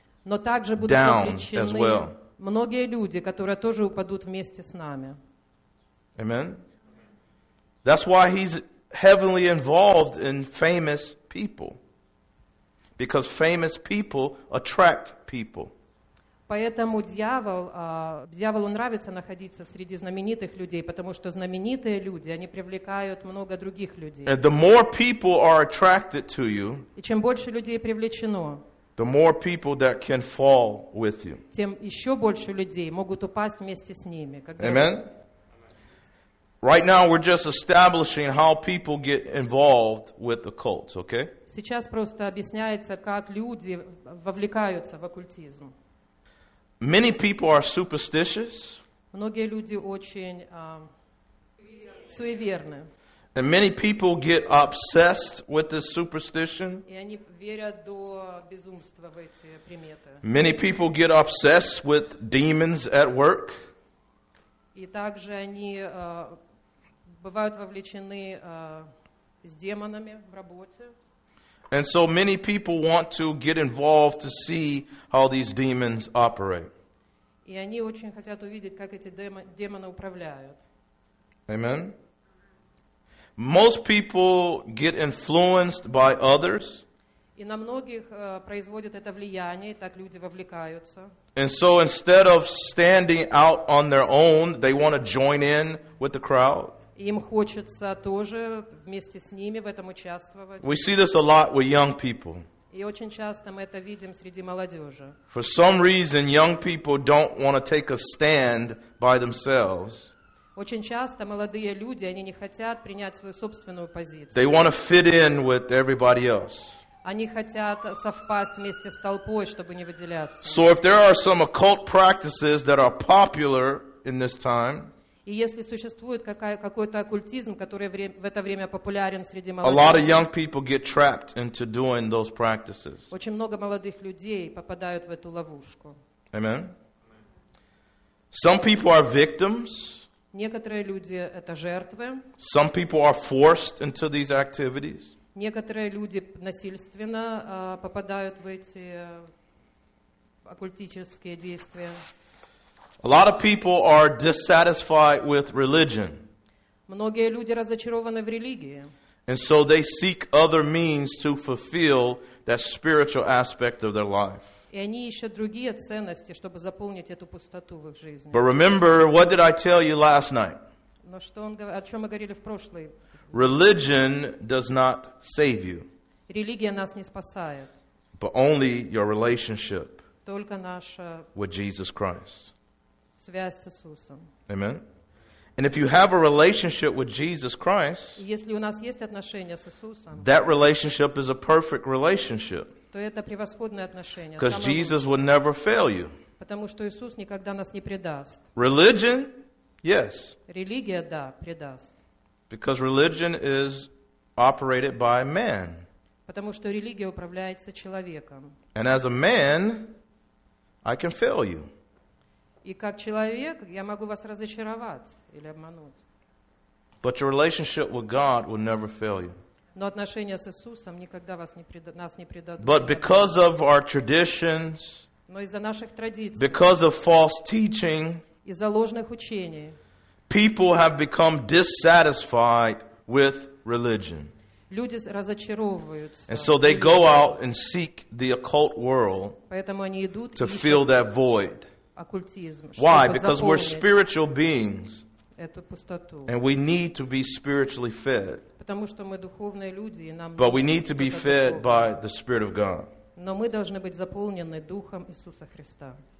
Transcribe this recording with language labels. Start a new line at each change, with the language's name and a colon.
Russian: Но также будут вовлечены многие люди, которые тоже упадут вместе с нами.
English: Amen. That's why he's heavily involved in famous people. Because famous people attract people.
Russian: Поэтому дьяволу нравится находиться среди знаменитых людей, потому что знаменитые люди, они привлекают много других людей.
English: And the more people are attracted to you,
Russian: и чем больше людей привлечено,
English: the more people that can fall with you.
Russian: Тем еще больше людей могут упасть вместе с ними.
English: Amen. Right now we're just establishing how people get involved with the cults, okay?
Russian: Сейчас просто объясняется, как люди вовлекаются в оккультизм.
English: Many people are superstitious.
Russian: Многие люди очень суеверны.
English: And many people get obsessed with this superstition.
Russian: И они верят до безумства в эти приметы.
English: Many people get obsessed with demons at work.
Russian: И также они бывают вовлечены с демонами в работе.
English: And so many people want to get involved to see how these demons operate.
Russian: И они очень хотят увидеть, как эти демоны управляют.
English: Amen. Most people get influenced by others.
Russian: И на многих производит это влияние, и так люди вовлекаются.
English: And so instead of standing out on their own, they want to join in with the crowd.
Russian: Им хочется тоже вместе с ними в этом участвовать.
English: We see this a lot with young people.
Russian: И очень часто мы это видим среди молодежи.
English: For some reason, young people don't want to take a stand by themselves.
Russian: Очень часто молодые люди, они не хотят принять свою собственную позицию.
English: They want to fit in with everybody else.
Russian: Они хотят совпасть вместе с толпой, чтобы не выделяться.
English: So if there are some occult practices that are popular in this time,
Russian: и если существует какой-то оккультизм, который в это время популярен среди молодых,
English: a lot of young people get trapped into doing those practices.
Russian: Очень много молодых людей попадают в эту ловушку.
English: Amen. Some people are victims.
Russian: Некоторые люди — это жертвы.
English: Some people are forced into these activities.
Russian: Некоторые люди насильственно попадают в эти оккультические действия.
English: A lot of people are dissatisfied with religion.
Russian: Многие люди разочарованы в религии.
English: And so they seek other means to fulfill that spiritual aspect of their life.
Russian: И они ищут другие ценности, чтобы заполнить эту пустоту в их жизни.
English: But remember, what did I tell you last night?
Russian: Но что он, о чем мы говорили в прошлый?
English: Religion does not save you.
Russian: Религия нас не спасает.
English: But only your relationship.
Russian: Только наша
English: with Jesus Christ.
Russian: Связь с Иисусом.
English: Amen. And if you have a relationship with Jesus Christ,
Russian: если у нас есть отношения с Иисусом,
English: that relationship is a perfect relationship.
Russian: То это превосходное отношение.
English: Because Jesus would never fail you.
Russian: Потому что Иисус никогда нас не предаст.
English: Religion, yes.
Russian: Религия, да, предаст.
English: Because religion is operated by man.
Russian: Потому что религия управляется человеком.
English: And as a man, I can fail you.
Russian: И как человек, я могу вас разочаровать или обмануть.
English: But your relationship with God will never fail you.
Russian: Но отношения с Иисусом никогда вас не нас не предадут.
English: But because of our traditions,
Russian: но из-за наших традиций,
English: because of false teaching,
Russian: из-за ложных учений,
English: people have become dissatisfied with religion.
Russian: Люди разочаровываются.
English: And so they go out and seek the occult world.
Russian: Поэтому они идут
English: to fill that void. Why? Because we're spiritual beings.
Russian: Эту пустоту.
English: And we need to be spiritually fed.
Russian: Потому что мы духовные люди, и нам
English: But we need to be fed by the Spirit of God.
Russian: Но мы должны быть заполнены духом Иисуса Христа.